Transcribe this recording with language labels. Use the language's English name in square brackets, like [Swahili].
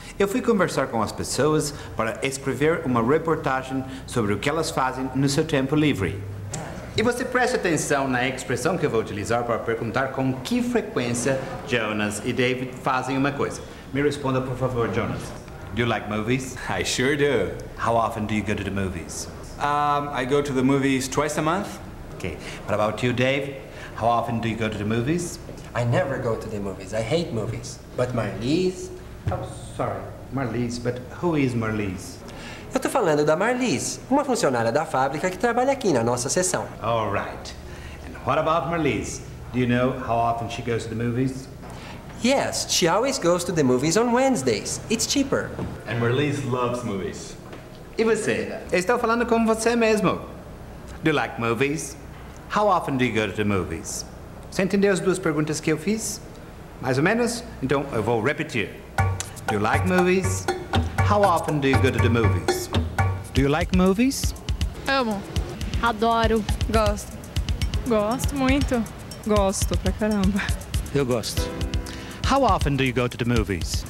[Portuguese] Eu fui conversar com as pessoas para escrever uma reportagem sobre o que elas fazem no seu tempo livre. E você preste atenção na expressão que eu vou utilizar para perguntar com que frequência Jonas e David fazem uma coisa. Me responda, por favor, Jonas. [English] Do you like movies? I sure do. How often do you go to the movies? I go to the movies twice a month. Okay. What about you, Dave? How often do you go to the movies? I never go to the movies. I hate movies. But my niece... Oh, sorry, Marlise, but who is Marlise? [Portuguese] Eu tô falando da Marlise, uma funcionária da fábrica que trabalha aqui na nossa seção. [English] All right. And what about Marlise? Do you know how often she goes to the movies? Yes, she always goes to the movies on Wednesdays. It's cheaper. And Marlise loves movies. [Portuguese] E você? Estou falando com você mesmo. [English] Do you like movies? How often do you go to the movies? [Portuguese] Você entendeu as duas perguntas que eu fiz? Mais ou menos? Então, eu vou repetir. [English] Do you like movies? How often do you go to the movies? Do you like movies? [Portuguese] Amo. Adoro. Gosto. Gosto muito. Gosto pra caramba. Eu gosto. [English] How often do you go to the movies?